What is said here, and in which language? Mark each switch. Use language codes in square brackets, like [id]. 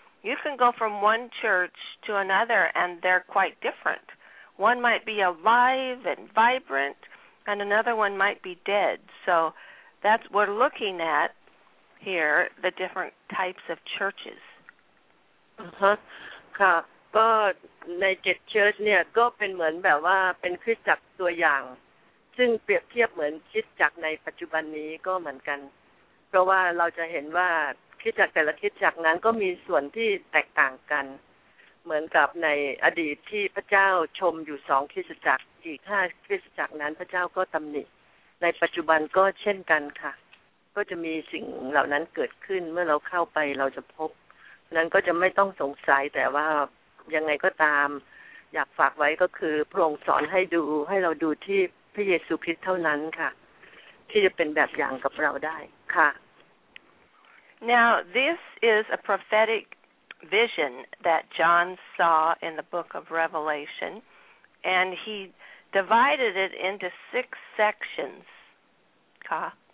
[en] You can go from one church to another, and they're quite different. One might be alive and vibrant, and another one might be dead. So that's what we're looking at here, the different types of churches. [th] Uh-huh. ค่ะก็ในเจ็ดเชิร์ชเนี่ยก็เป็นเหมือนแบบว่าเป็นคริสตจักรตัวอย่างซึ่งเปรียบเทียบเหมือนคริสตจักรในปัจจุบันนี้ก็เหมือนกันเพราะว่าเราจะเห็นว่าคริสตจักรแต่ละคริสตจักรนั้นก็มีส่วนที่แตกต่างกัน เหมือนกับในอดีตที่พระเจ้าชมอยู่สองคริสตจักรอีกห้าคริสตจักรนั้นพระเจ้าก็ตำหนิในปัจจุบันก็เช่นกันค่ะก็จะมีสิ่งเหล่านั้นเกิดขึ้นเมื่อเราเข้าไปเราจะพบนั้นก็จะไม่ต้องสงสัยแต่ว่ายังไงก็ตามอยากฝากไว้ก็คือพระองค์สอนให้ดูให้เราดูที่พระเยซูคริสต์เท่านั้นค่ะที่จะเป็นแบบอย่างกับเราได้ค่ะ [en] Now this is a prophetic vision that John saw in the book of Revelation and he divided it into 6 sections ค่ะ